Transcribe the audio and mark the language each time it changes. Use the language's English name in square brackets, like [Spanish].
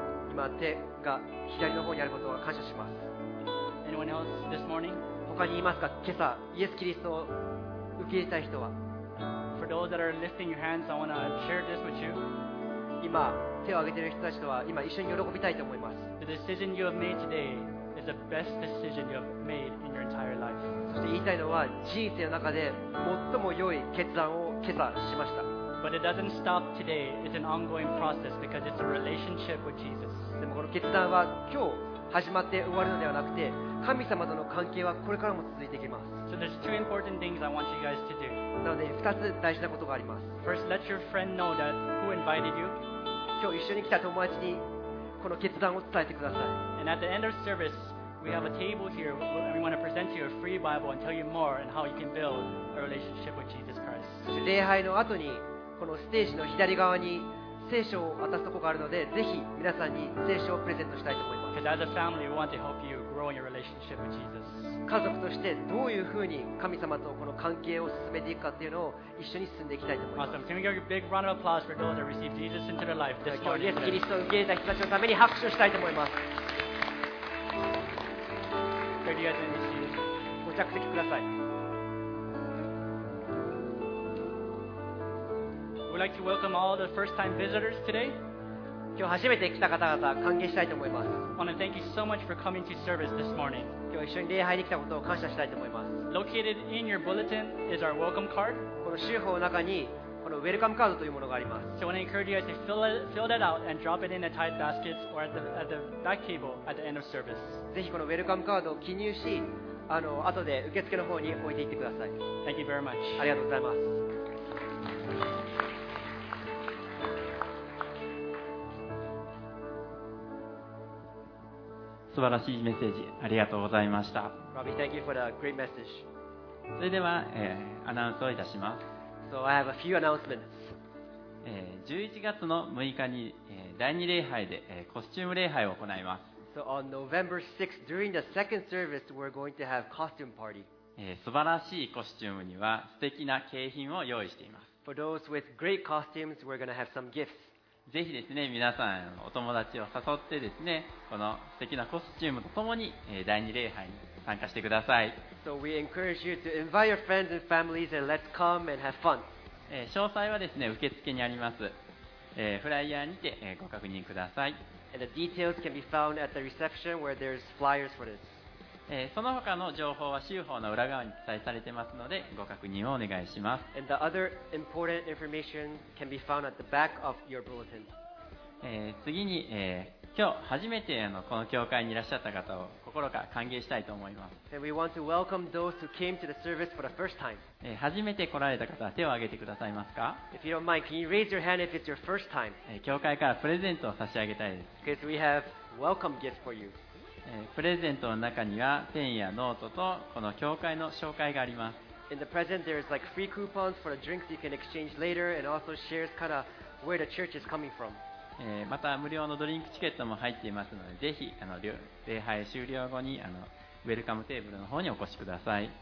[Japanese] 今手が左の方にあることを感謝します [English] Anyone else this morning? [Japanese] 他にいますか今朝イエス・キリストを受け入れたい人は [English] For those that are lifting your hands, I want to share this with you. [Japanese] 今手を挙げている人たちとは今一緒に喜びたいと思います [English] The decision you have made today is the best decision you have made in your entire life. [Japanese] そして言いたいのは人生の中で最も良い決断を今朝しました [English] But it doesn't stop today. It's an ongoing process because it's a relationship with Jesus. [Japanese] でもこの決断は今日始まって終わるのではなくて神様との関係はこれからも続いていきます、 [English] so、there's two important things I want you guys to do. [Japanese] なので2つ大事なことがあります [English] First, let your friend know that who invited you. [Japanese] 今日一緒に来た友達にこの決断を伝えてください [English] And at the end of service, we have a table here where we want to present you a free Bible and tell you more and how you can build a relationship with Jesus Christ. [Japanese] 礼拝の後にこのステージの左側に聖書を渡すところがあるのでぜひ皆さんに聖書をプレゼントしたいと思います [English] Because as a family, we want to help you grow in your relationship with Jesus. [Japanese] 家族としてどういうふうに神様とこの関係を進めていくかっていうのを一緒に進んでいきたいと思います [English] Awesome. Can we give a big round of applause for those that received Jesus into their life this morning? [Japanese] 今日イエス・キリストを受け入れた人たちのために拍手をしたいと思います [English] Good, you guys can be [Japanese] seated. ご着席ください [English] We'd like to welcome all the first-time visitors today. [Japanese] 今日初めて来た方々歓迎したいと思います。 [English] I want to thank you so much for coming to service this morning. [Japanese] 今日一緒に礼拝に来たことを感謝したいと思います。 [English] Located in your bulletin is our welcome card. [Japanese] この集報の中にこのウェルカムカードというものがあります。 [English] So I want to encourage you to fill that out and drop it in the tithe baskets or at the back table at the end of service. [Japanese] ぜひこのウェルカムカードを記入し、後で受付の方に置いていってください。 [English] Thank you very much. [Japanese] ありがとうございます。素晴らしいメッセージありがとうございました。 [English] Robbie, thank you for the great message. [Japanese] それでは、アナウンスをいたします。 [English] So I have a few announcements. [Japanese] 11月の6日に、第2礼拝で、コスチューム礼拝を行います。 [English] So on November 6th, during the second service, we're going to have costume party. [Japanese] 素晴らしいコスチュームには素敵な景品を用意しています。 [English] For those with great costumes, we're going to have some gifts. [Japanese] ぜひですね、皆さんお友達を誘ってですね、この素敵なコスチュームとともに第二礼拝に参加してください。 [English] So we encourage you to invite your friends and families and let's come and have fun. [Japanese] 詳細はですね、受付にあります、フライヤーにて、ご確認ください。 [English] And the details can be found at the reception where there's flyers for this. [Japanese] その他の情報は週報の裏側に記載されてますので、ご確認をお願いします。 [English] And the other important information can be found at the back of your bulletin. [Japanese] 次に、今日初めてこの教会にいらっしゃった方を心から歓迎したいと思います。 [English] And we want to welcome those who came to the service for the first time. [Japanese] 初めて来られた方は手を挙げてくださいますか？ [English] If you don't mind, can you raise your hand if it's your first time? [Japanese] 教会からプレゼントを差し上げたいです。 [English] Because we have welcome gifts for you. [Japanese] プレゼントの中にはペンやノートとこの教会の紹介があります。 [English] In the present, there's like free coupons for the drinks you can exchange later, and also shares kind of where the church is coming from. [Japanese] また無料のドリンクチケットも入っていますので、ぜひ礼拝終了後にウェルカムテーブルの方にお越しください。